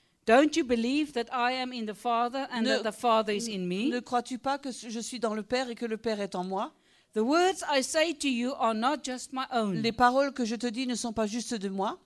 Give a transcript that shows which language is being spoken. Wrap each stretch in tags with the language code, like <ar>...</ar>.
<en>Don't you believe that I am in the Father and that the Father is in me?</en> <fr>Ne crois-tu pas que je suis dans le Père et que le Père est en moi?</fr> <en>The words I say to you are not just my own.</en> <fr>Les paroles que je te dis ne sont pas juste de moi.</fr>